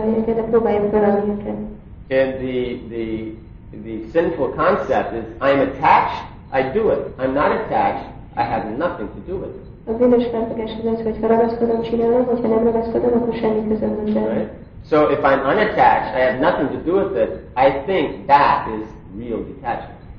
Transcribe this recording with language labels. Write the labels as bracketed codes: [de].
[en] And the sinful concept is, I'm attached, I do it. I'm not attached, I have nothing to do with it. [hu] A bűnös feltegesség az, hogy ha ragaszkodom, csinálom, hogyha nem ragaszkodom, akkor semmi közöm nincs. [en] So if I'm unattached, I have nothing to do with it, I think that is real detachment.